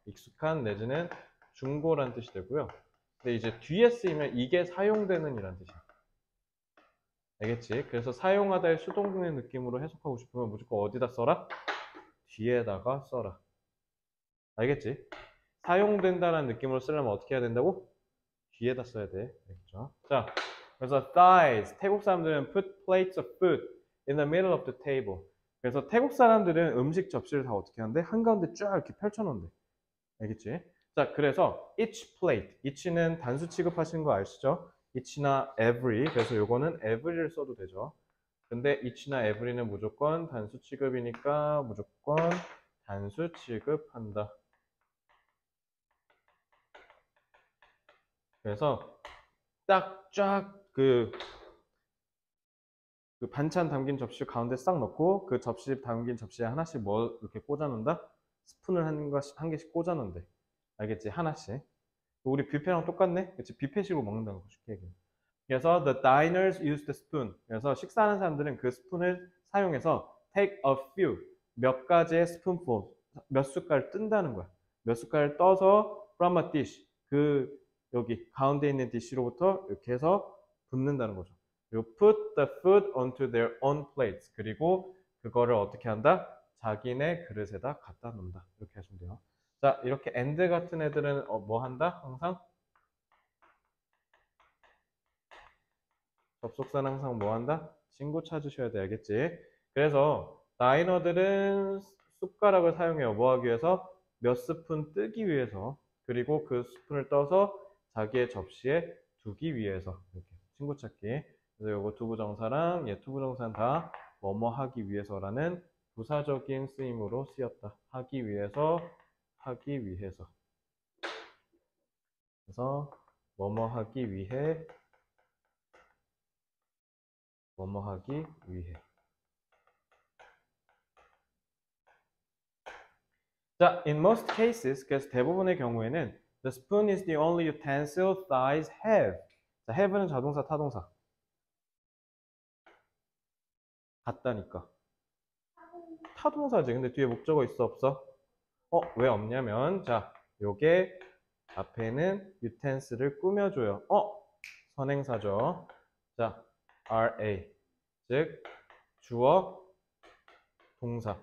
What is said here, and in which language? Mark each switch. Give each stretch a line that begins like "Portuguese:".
Korean: 익숙한 내지는 중고란 뜻이 되고요. 근데 이제 뒤에 쓰이면 이게 사용되는이란 뜻이야. 알겠지? 그래서 사용하다의 수동태 느낌으로 해석하고 싶으면 무조건 어디다 써라? 뒤에다가 써라. 알겠지? 사용된다는 느낌으로 쓰려면 어떻게 해야 된다고? 뒤에다 써야 돼. 알겠죠? 자, 그래서 thighs. 태국 사람들은
English: put plates of food in the middle of the table.
Korean: 그래서 태국 사람들은 음식 접시를 다 어떻게 하는데? 한가운데 쫙 이렇게 펼쳐놓는데. 알겠지? 자, 그래서
English: each plate.
Korean: each는 단수 취급하시는 거 아시죠? each나 every, 그래서 요거는 every를 써도 되죠. 근데 each나 every는 무조건 단수 취급이니까 무조건 단수 취급한다. 그래서 딱쫙그 반찬 담긴 접시 가운데 싹 넣고 그 접시 담긴 접시에 하나씩 뭐 이렇게 꽂아놓는다? 스푼을 한 개씩 꽂아놓는데. 알겠지? 하나씩. 우리 뷔페랑 똑같네? 그치? 뷔페식으로 먹는다는 거 쉽게 얘기해. 그래서
English: the diners use the spoon.
Korean: 그래서 식사하는 사람들은 그 스푼을 사용해서
English: take a few
Korean: 몇 가지의 스푼풀 몇 숟갈 뜬다는 거야. 몇 숟갈 떠서
English: from a dish
Korean: 그 여기 가운데 있는 디쉬로부터 이렇게 해서 붓는다는 거죠.
English: You put the food onto their own plates.
Korean: 그리고 그거를 어떻게 한다? 자기네 그릇에다 갖다 놓는다. 이렇게 하시면 돼요. 자, 이렇게 end 같은 애들은 뭐 한다? 항상? 접속사는 항상 뭐 한다? 친구 찾으셔야 되겠지. 그래서 다이너들은 숟가락을 사용해요. 뭐 하기 위해서? 몇 스푼 뜨기 위해서. 그리고 그 스푼을 떠서 자기의 접시에 두기 위해서. 이렇게 친구 찾기. 그래서 요거 투부정사랑 예 투부정사는 다 뭐뭐 하기 위해서라는 부사적인 쓰임으로 쓰였다. 하기 위해서, 하기 위해서. 그래서 뭐뭐 하기 위해. 뭐뭐 하기 위해.
English: 자, in most cases,
Korean: 그래서 대부분의 경우에는
English: the spoon is the only utensil thighs have.
Korean: 자, have는 자동사, 타동사. 같다니까. 타동사지. 근데 뒤에 목적어 있어 없어? 어, 왜 없냐면, 자, 요게 앞에는 유텐스를 꾸며줘요. 어, 선행사죠. 자, RA, 즉 주어 동사.